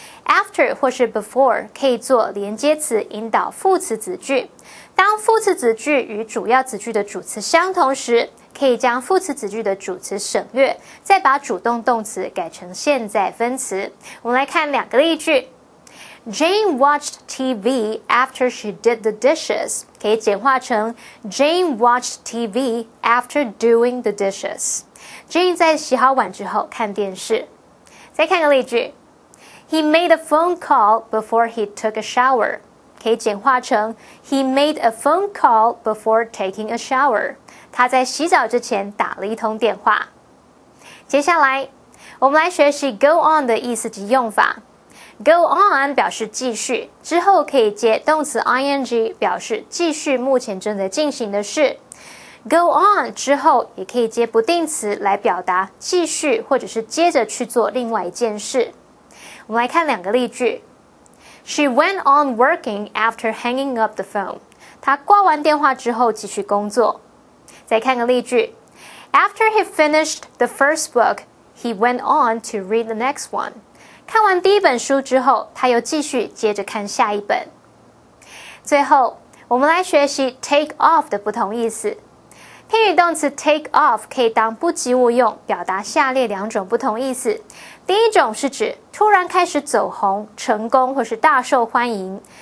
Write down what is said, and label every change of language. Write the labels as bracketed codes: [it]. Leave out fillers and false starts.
[zh] after 或是 before 可以做连接词引导副词子句，当副词子句与主要子句的主词相同时，可以将副词子句的主词省略，再把主动动词改成现在分词。我们来看两个例句。 [en] Jane watched TV after she did the dishes， [zh] 可以简化成 [en] Jane watched TV after doing the dishes， Jane [zh] 在洗好碗之后看电视。 [en] 再看个例句， He made a phone call before he took a shower， [zh] 可以简化成 [en] He made a phone call before taking a shower， [zh] 他在洗澡之前打了一通电话。接下来我们来学习 go on 的意思及用法。 go on 表示继续，之后可以接动词 ing 表示继续目前正在进行的事。 go on 之后也可以接不定词来表达继续或者是接着去做另外一件事。我们来看两个例句。 [en] She went on working after hanging up the phone. [zh] 她挂完电话之后继续工作。再看个例句。 [en] After he finished the first book, he went on to read the next one. [zh] 看完第一本书之后他又继续接着看下一本。最后我们来学习 take off 的不同意思。偏语动词 take off 可以当不及物用，表达下列两种不同意思。第一种是指突然开始走红、成功或是大受欢迎。